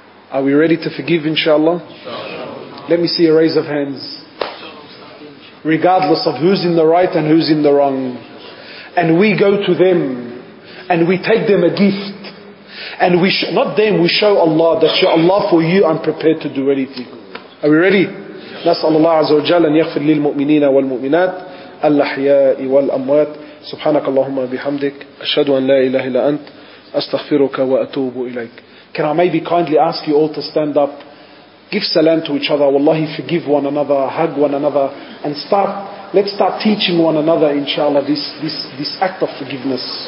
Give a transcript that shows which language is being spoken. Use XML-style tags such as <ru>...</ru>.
<en>Are we ready to forgive, inshallah? Let me see a raise of hands. Regardless of who's in the right and who's in the wrong. And we go to them and we take them a gift. And we show Allah that, Ya Allah, for you I'm prepared to do anything. Are we ready?</en> <ar>نسأل الله عز وجل أن يغفر للمؤمنين والمؤمنات الأحياء والأموات. سبحانك اللهم بحمدك أشهد أن لا إله إلا أنت أستغفرك وأتوب إليك.</ar> <en>Can I maybe kindly ask you all to stand up? Give salam to each other. Wallahi, forgive one another, hug one another, and let's start teaching one another, inshallah, this act of forgiveness.</en>